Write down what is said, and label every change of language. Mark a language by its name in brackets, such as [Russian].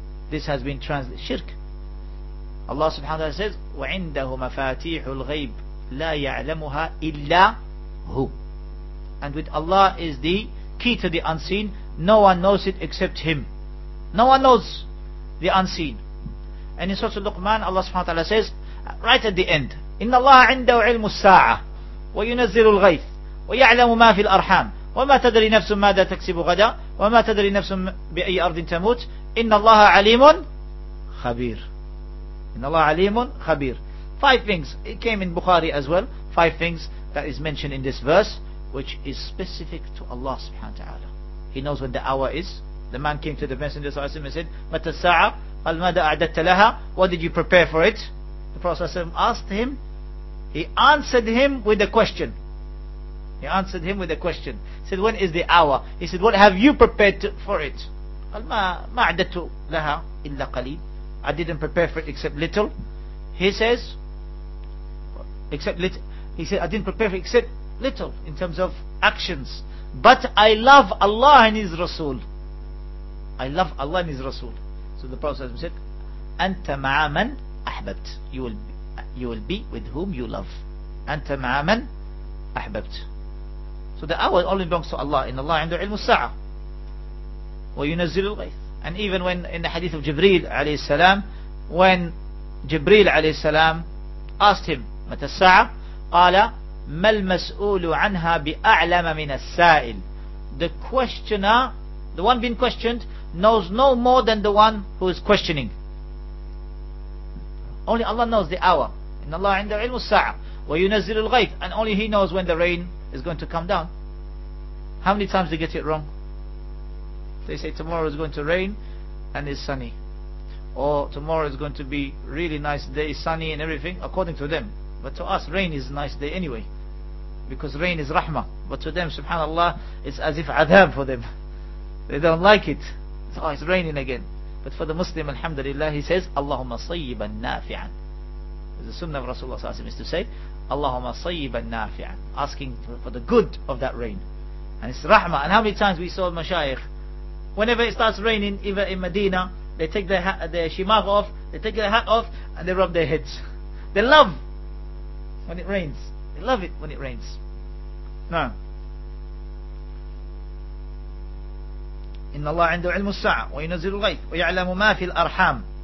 [English] This has been translated shirk. Allah subhanahu wa ta'ala says, [Arabic] وَعِنْدَهُ مَفَاتِيحُ الْغَيْبِ لَا يَعْلَمُهَا إِلَّا هُ, [English] and with Allah is the key to the unseen, no one knows it except Him. No one knows the unseen. And in Surah Luqman, Allah subhanahu wa ta'ala says right at the end, [Arabic] إِنَّ اللَّهَ عِنْدَهُ عِلْمُ السَّاعَةِ وَيُنَزِّلُ الْغَيْثِ وَيَعْلَمُ مَا فِي الْأَرْحَامِ وَمَا تَدْرِي نَفْسٌ مَاذَا تَكْسِبُ غَدًا وَمَا تَدْرِي نَفْسٌ بِأَيِّ أَرْضٍ تَمُوتُ إِنَّ اللَّهَ عَلِيمٌ خَبِيرٌ. إِنَّ اللَّهَ عَلِيمٌ خَبِيرٌ. [English] Five things, it came in Bukhari as well, five things that is mentioned in this verse, which is specific to Allah subhanahu wa ta'ala. He knows when the hour is. The man came to the Messenger صلى الله عليه وسلم and said, [Arabic] مَتَ السَّاعَةُ قَالَ مَاذَا أَعْدَدْتَ لَهَا, [English] what did you prepare for it? The Prophet صلى الله عليه وسلم asked him, he answered him with a question. He answered him with a question. He said, when is the hour? He said, what have you prepared for it? [Arabic] ما عدت لها إلا قليل. [English] I didn't prepare for it except little. He says, except little. He said, I didn't prepare for it except little in terms of actions. But I love Allah and His Rasul. I love Allah and His Rasul. So the Prophet said, [Arabic] أنت مع من أحببت. [English] You will be with whom you love. [Arabic] أنت مع من أحببت. [English] So the hour only belongs to Allah. [Arabic] In Allah, عنده علم الساعة وينزل الغيث. [English] And even when in the hadith of Jibreel عليه السلام, when Jibreel عليه السلام asked him, [Arabic] متى الساعة؟ قال ما المسؤول عنها بأعلم من السائل. [English] The questioner, the one being questioned, knows no more than the one who is questioning. Only Allah knows the hour. [Arabic] In Allah, عنده علم الساعة وينزل الغيث. [English] And only He knows when the rain is going to come down. How many times they get it wrong? They say tomorrow is going to rain and it's sunny, or tomorrow is going to be really nice day, sunny and everything, according to them. But to us, rain is a nice day anyway, because rain is rahmah. But to them, subhanallah, it's as if adhab for them. They don't like it. So it's raining again. But for the Muslim, alhamdulillah, he says, [Arabic] Allahumma sayyiban nafi'an. [English] The sunnah of Rasulullah sallallahu alayhi wa sallam is to say, [Arabic] Allahumma sayyiban nafi'an, [English] asking for the good of that rain. And it's rahmah. And how many times we saw mashayikh whenever it starts raining, even in Medina, they take their shimagh off, they take their hat off, and they rub their heads. They love when it rains. They love it when it rains. No. [Arabic] Inna Allah عنده علم الساعة وينزل الغيث ويعلم ما في الأرحام.